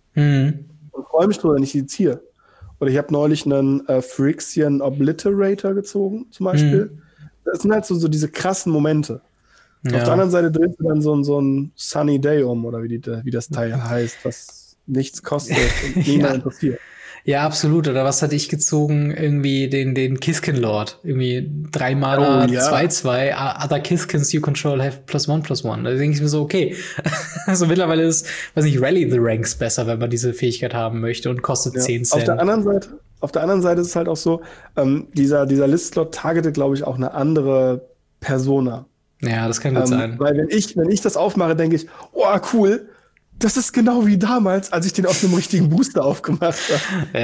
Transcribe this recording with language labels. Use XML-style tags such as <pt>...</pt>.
<de>Und freue mich nur, wenn ich die ziehe. Oder ich habe neulich einen Phyrexian Obliterator gezogen, zum Beispiel. Das sind halt so diese krassen Momente. Ja. Auf der anderen Seite dreht sich dann so ein Sunny Day oder wie das Teil heißt, was nichts kostet und niemand interessiert. Ja, absolut. Oder was hatte ich gezogen? Irgendwie den Kiskin Lord. Irgendwie 3 Mana, 2/2.</de> <en>Other Kiskins you control have +1/+1.</en> <de>Da denke ich mir so, okay. Also mittlerweile ist, weiß nicht, Rally the Ranks besser, wenn man diese Fähigkeit haben möchte und kostet 10 Cent. Auf der anderen Seite ist es halt auch so, dieser List-Slot targetet, glaube ich, auch eine andere Persona. Ja, das kann gut sein. Weil wenn ich das aufmache, denke ich, oh, cool, das ist genau wie damals, als ich den auf einem richtigen Booster aufgemacht habe.</de>